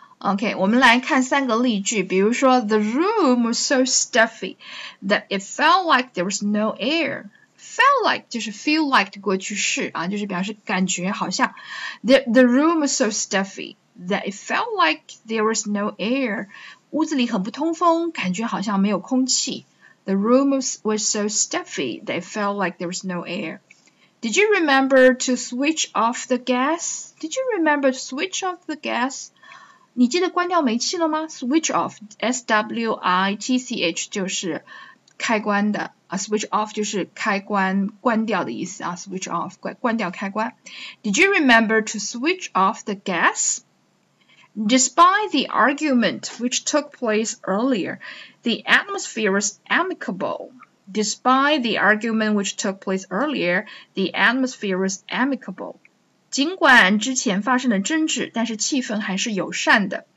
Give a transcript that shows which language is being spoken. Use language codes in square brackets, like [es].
[en] OK， [zh] 我们来看三个例句，比如说 [en] "The room was so stuffy that it felt like there was no air." [zh] Felt like 就是 feel like 的过去式啊，就是表示感觉好像。 [en] The room was so stuffy that it felt like there was no air。 [zh] 屋子里很不通风，感觉好像没有空气。 [en] The room was so stuffy that it felt like there was no air。 Did you remember to switch off the gas? Did you remember to switch off the gas? [zh] 你记得关掉煤气了吗？Switch off，switch 就是开关的啊，switch off 就是开关关掉的意思啊，switch off 关掉开关。 [en] Did you remember to switch off the gas? Despite the argument which took place earlier, the atmosphere was amicable. Despite the argument which took place earlier, the atmosphere was amicable. [zh] 尽管之前发生了争执，但是气氛还是友善的。